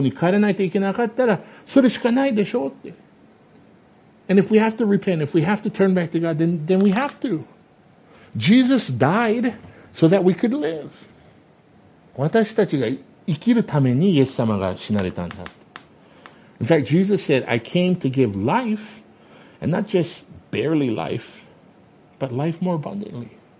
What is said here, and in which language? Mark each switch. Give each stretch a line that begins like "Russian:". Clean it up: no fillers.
Japanese: で、悔い改めないといけないことがあったら、神様の方に帰らないといけなかったら、それしかないでしょうって。
English: And if we have to repent, if we have to turn back to God, then we have to. Jesus died so that we could live.
Japanese: 私たちが生きるためにイエス様が死なれたんだって。
English: In fact, Jesus said, I came to give life, and not just barely life, but life more abundantly.